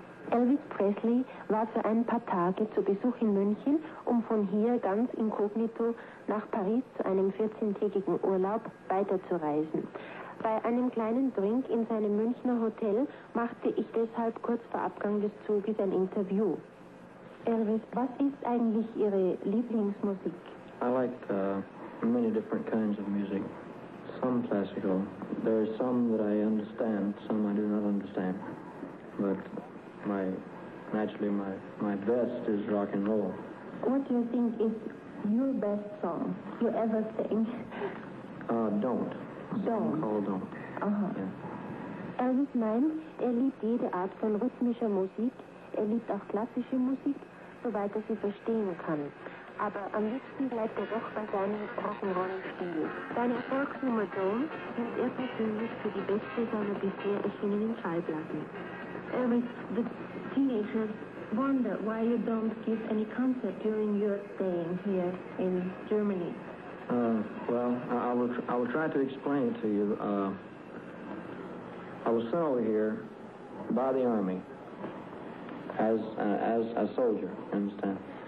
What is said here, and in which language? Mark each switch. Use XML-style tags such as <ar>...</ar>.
<de>Elvis Presley war für ein paar Tage zu Besuch in München, um von hier ganz inkognito nach Paris zu einem 14-tägigen Urlaub weiterzureisen. Bei einem kleinen Drink in seinem Münchner Hotel machte ich deshalb kurz vor Abgang des Zuges ein Interview. Elvis, was ist eigentlich Ihre Lieblingsmusik?</de> <en>I like many different kinds of music. Some classical. There are some that I understand, some I do not understand. But my best is rock and roll. What do you think is your best song you ever sing? Don't. Don't. Aha.</en> <de>Elvis meint, er liebt jede Art von rhythmischer Musik. Er liebt auch klassische Musik, soweit er sie verstehen kann. Aber am liebsten bleibt er doch bei seinem Rock'n'Roll-Stil. Seine Erfolgsnummer Don't hielt er persönlich für die beste seiner bisher erschienenen Schallplatten.</de> <en>Elvis, the teenagers wonder why you don't give any concert during your staying here in Germany. I will try to explain it to you. I was sent over here by the army as a soldier, you understand?</en>